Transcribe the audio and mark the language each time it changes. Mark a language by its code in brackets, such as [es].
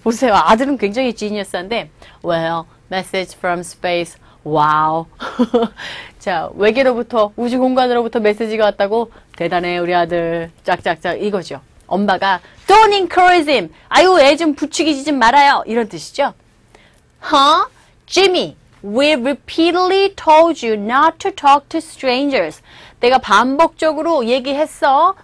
[ko] 보세요. 아들은 굉장히 지니어스한데 [en] Well, message from space. Wow. [ko] 자, 외계로부터 우주 공간으로부터 메시지가 왔다고 대단해 우리 아들. 짝짝짝 이거죠. 엄마가 [en] Don't encourage him. [ko] 아유, 애 좀 부추기지 좀 말아요. 이런 뜻이죠. Huh? [en] Jimmy, we repeatedly told you not to talk to strangers. [ko] 내가 반복적으로 얘기했어.